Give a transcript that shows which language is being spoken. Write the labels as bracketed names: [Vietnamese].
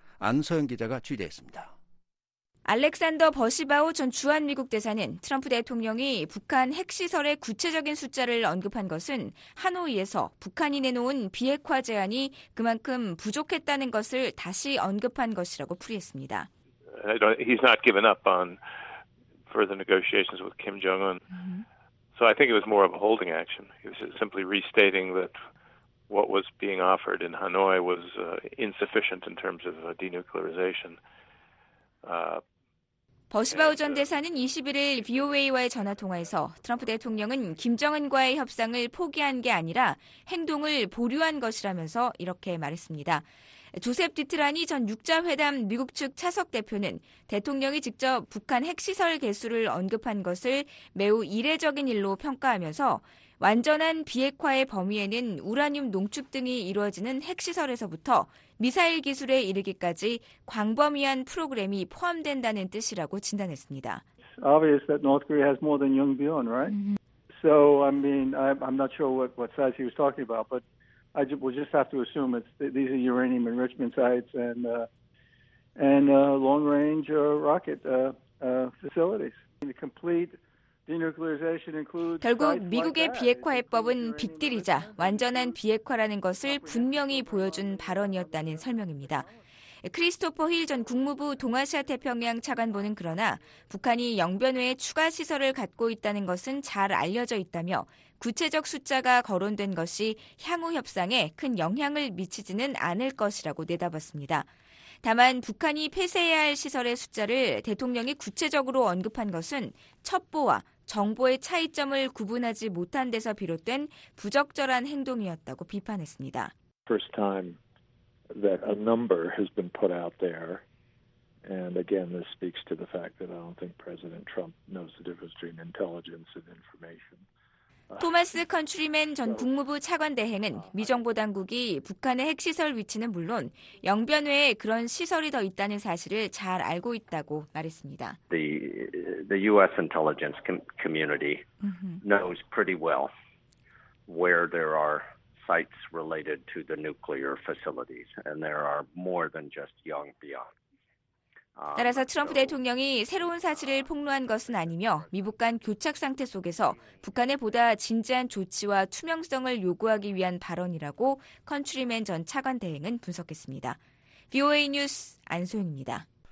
[Korean] 안소영 기자가 취재했습니다. 알렉산더 버시바오 전 주한미국 대사는 트럼프 대통령이 북한 핵시설의 구체적인 숫자를 언급한 것은 하노이에서 북한이 내놓은 비핵화 제안이 그만큼 부족했다는 것을 다시 언급한 것이라고 풀이했습니다. [English] He's not given up on further negotiations with Kim Jong-un. So I think it was more of a holding action. He was simply restating that what was being offered in Hanoi was insufficient in terms of denuclearization. [Korean] 버시바우 전 대사는 21일 VOA와의 전화통화에서 트럼프 대통령은 김정은과의 협상을 포기한 게 아니라 행동을 보류한 것이라면서 이렇게 말했습니다. 조셉 디트라니 전 6자회담 미국 측 차석 대표는 대통령이 직접 북한 핵시설 개수를 언급한 것을 매우 이례적인 일로 평가하면서 완전한 비핵화의 범위에는 우라늄 농축 등이 이루어지는 핵시설에서부터 미사일 기술에 이르기까지 광범위한 프로그램이 포함된다는 뜻이라고 진단했습니다. [English] obvious that North Korea has more than Yongbyon, right? Mm-hmm. So, I mean, I'm not sure what size he was talking about, but we'll just have to assume these are uranium enrichment sites and long-range rocket facilities. The complete denuclearization includes... [Korean] 결국 미국의 비핵화 해법은 빅딜이자 완전한 비핵화라는 것을 분명히 보여준 발언이었다는 설명입니다. 크리스토퍼 힐 전 국무부 동아시아 태평양 차관보는 그러나 북한이 영변 외에 추가 시설을 갖고 있다는 것은 잘 알려져 있다며 구체적 숫자가 거론된 것이 향후 협상에 큰 영향을 미치지는 않을 것이라고 내다봤습니다. 다만 북한이 폐쇄해야 할 시설의 숫자를 대통령이 구체적으로 언급한 것은 첩보와 정보의 차이점을 구분하지 못한 데서 비롯된 부적절한 행동이었다고 비판했습니다. [English] First time that a number has been put out there. And again, this speaks to the fact that I don't think President Trump knows the difference between intelligence and information. [Korean] 토마스 컨트리맨 전 국무부 차관 대행은 미정보 당국이 북한의 핵시설 위치는 물론 영변 외에 그런 시설이 더 있다는 사실을 잘 알고 있다고 말했습니다. [English] The U.S. intelligence community knows pretty well where there are sites related to the nuclear facilities, and there are more than just Yongbyon. [Korean] 따라서 트럼프 대통령이 새로운 사실을 폭로한 것은 아니며 미북 간 교착 상태 속에서 북한에 보다 진지한 조치와 투명성을 요구하기 위한 발언이라고 컨트리맨 전 차관 대행은 분석했습니다. VOA 뉴스 안소영입니다.